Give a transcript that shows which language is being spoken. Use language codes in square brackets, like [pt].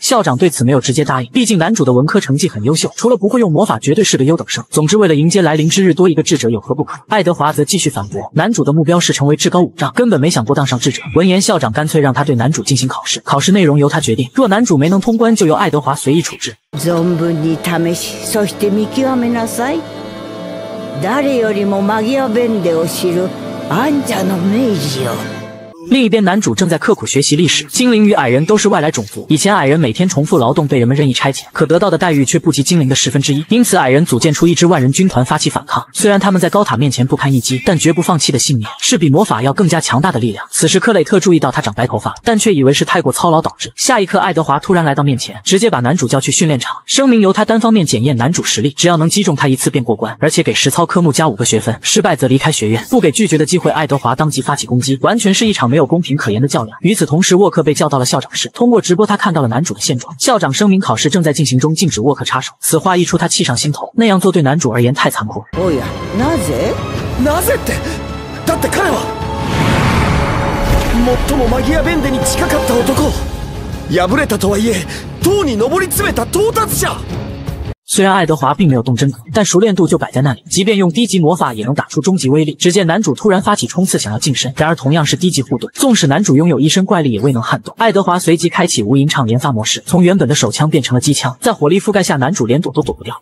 [zh] 校长对此没有直接答应，毕竟男主的文科成绩很优秀，除了不会用魔法绝对是个优等生。总之为了迎接来临之日多一个智者有何不可。爱德华则继续反驳，男主的目标是成为至高武障，根本没想过当上智者。闻言校长干脆让他对男主进行考试，考试内容由他决定，若男主没能通关就由爱德华随意处置。 [ja] 存分に試し、そして見極めなさい。誰よりもマギアベンデを知るアンジャの名字よ。 [zh] 另一边男主正在刻苦学习历史，精灵与矮人都是外来种族，以前矮人每天重复劳动被人们任意差遣，可得到的待遇却不及精灵的十分之一，因此矮人组建出一支万人军团发起反抗。虽然他们在高塔面前不堪一击，但绝不放弃的信念是比魔法要更加强大的力量。此时克雷特注意到他长白头发，但却以为是太过操劳导致。下一刻爱德华突然来到面前，直接把男主叫去训练场，声明由他单方面检验男主实力，只要能击中他一次便过关，而且给实操科目加5个学分，失败则离开学院。不给拒绝的机会，爱德华当即发起攻击，完全是一场没有公平可言的较量。与此同时沃克被叫到了校长室，通过直播他看到了男主的现状，校长声明考试正在进行中，禁止沃克插手。此话一出他气上心头，那样做对男主而言太残酷。 [ja] おや、なぜ？なぜって、だって彼は最もマギアベンデに近かった男、敗れたとはいえ、塔に上り詰めた到達者。 [zh] 虽然爱德华并没有动真格，但熟练度就摆在那里，即便用低级魔法也能打出终极威力。只见男主突然发起冲刺想要近身，然而同样是低级护盾，纵使男主拥有一身怪力也未能撼动。爱德华随即开启无垠场连发模式，从原本的手枪变成了机枪，在火力覆盖下男主连躲都躲不掉。